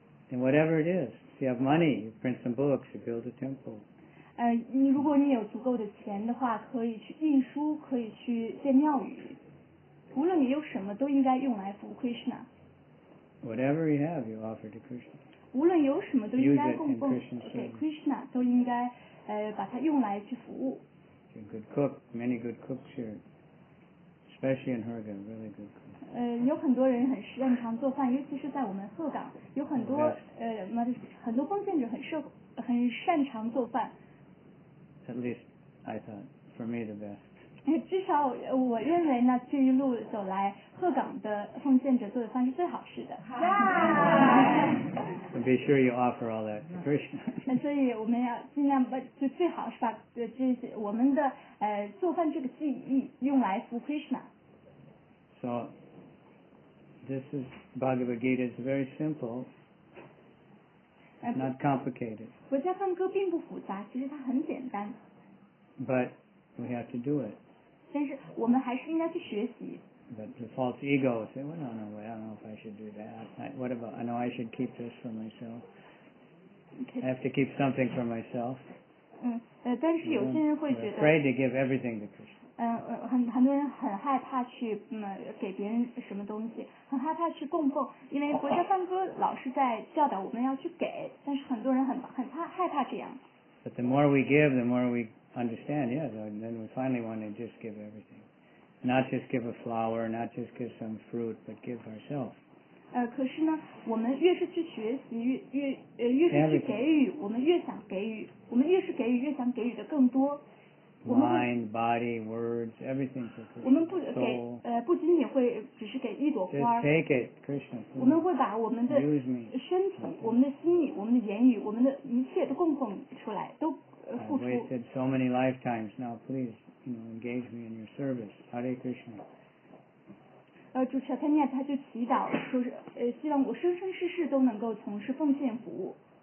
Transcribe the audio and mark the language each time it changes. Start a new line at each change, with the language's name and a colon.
English: And whatever it is, if you have money, you print some books, you build a temple.
Chinese: 如果你有足够的钱的话，可以去印书，可以去建庙宇。无论你有什么，都应该用来服务 Krishna.
English: Whatever you have, you offer to Krishna.
Chinese: 无论有什么，都应该供奉给 Krishna， 都应该。把它用来去服务。
English: a good cook, many good cooks here, especially in Herga, really good cook.
Chinese: 有很多人很擅长做饭，尤其是在我们鹤岗，有很多、
English: yes.
Chinese: 很多奉献者很擅长做饭。
English: At least I thought for me the best.
Chinese: 至少我认为呢，这一路走来，鹤岗的奉献者做的饭是最好吃的。
English: Yeah. Be sure you offer all that to Krishna.
Chinese: 所以我们要尽量把就最好是把这些我们的做饭这个技艺用来服 Krishna.
English: So. This is Bhagavad Gita. It's very simple, not complicated.
Chinese: 佛家颂歌并不复杂，其实它很简单。
English: But we have to do it.
Chinese: 但是我们还是应该去学习。
English: But the false ego will say, well, no, I don't know if I should do that. What about, I know I should keep this for myself. I have to keep something for myself.
Chinese: 但是有些人会觉得
English: afraid to give everything to Krishna.
Chinese: 很多人很害怕去给别人什么东西，很害怕去供奉，因为佛家梵歌老是在教导我们要去给，但是很多人很怕害怕这样。
English: But the more we give, the more we understand. Yeah, then we finally want to just give everything, not just give a flower, not just give some fruit, but give ourselves.
Chinese: 可是呢，我们越是去学习，越是去给予，我们越想给予，我们越是给予，越想给予的更多。
English: Mind, body, words, everything for Krishna.
Chinese: 我们不给不仅仅会只是给一朵花。
English: Just take it, Krishna.
Chinese: 我们会把我们的身体、我们的心意、我们的言语、我们的一切都供奉出来，都付出。
English: I've wasted so many lifetimes. Now, please, engage me in your service, Hare Krishna.
Chinese: 主持人他念，他就祈祷说希望我生生世世都能够从事奉献服务。